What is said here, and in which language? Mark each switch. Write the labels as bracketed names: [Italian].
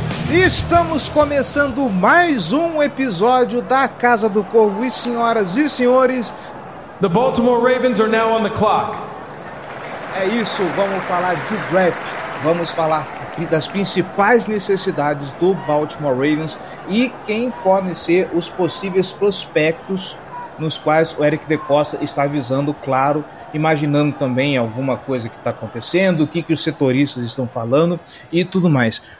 [Portuguese] Estamos começando mais um episódio da Casa do Corvo, e senhoras e senhores, [English] the Baltimore Ravens are now on the clock. [Portuguese] É isso, vamos falar de draft, vamos falar das principais necessidades do Baltimore Ravens e quem podem ser os possíveis prospectos nos quais o Eric DeCosta está visando, claro, imaginando também alguma coisa que está acontecendo, o que, que os setoristas estão falando e tudo mais.